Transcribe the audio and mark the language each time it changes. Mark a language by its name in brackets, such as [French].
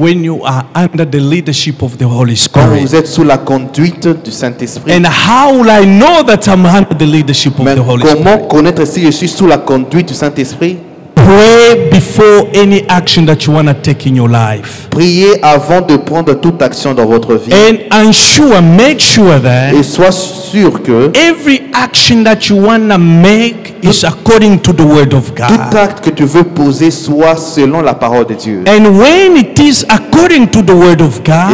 [English] When you are under the leadership of the Holy Spirit. [French] Quand vous êtes sous la conduite du Saint-Esprit. [English] And how will I know that I'm under the leadership of [French] Mais [English] the Holy [French] comment [English] Spirit? [French] Comment connaître si je suis sous la conduite du Saint-Esprit? [English] Pray before any action that you want to take in your life. [French] Priez avant de prendre toute action dans votre vie. [English] And ensure, make sure that. [French] Et sois sûr que. [English] Every action that you want to make is according to the word of God. [French] Tout acte que tu veux poser soit selon la parole de Dieu. [English] And when it is according to the word of God.